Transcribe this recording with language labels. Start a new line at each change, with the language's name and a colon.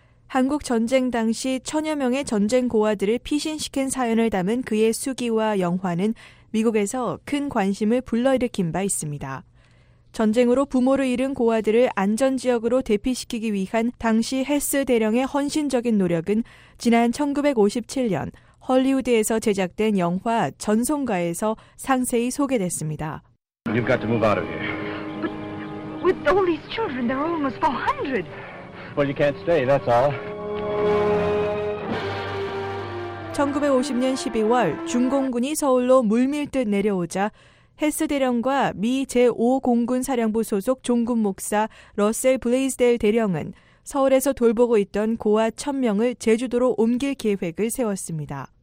Korean: 한국전쟁 당시 천여 명의 전쟁 고아들을 피신시킨 사연을 담은 그의 수기와 영화는 미국에서 큰 관심을 불러일으킨 바 있습니다. 전쟁으로 부모를 잃은 고아들을 안전지역으로 대피시키기 위한 당시 헤스 대령의 헌신적인 노력은 지난 1957년 헐리우드에서 제작된 영화 전송가에서 상세히 소개됐습니다.
English: You've got to move out of here. But with all these children, there are almost 400. Well, you can't stay, that's all.
Korean: 1950년 12월 중공군이 서울로 물밀듯 내려오자 헤스 대령과 미 제5공군사령부 소속 종군목사 러셀 블레이즈델 대령은 서울에서 돌보고 있던 고아 1,000명을 제주도로 옮길 계획을 세웠습니다.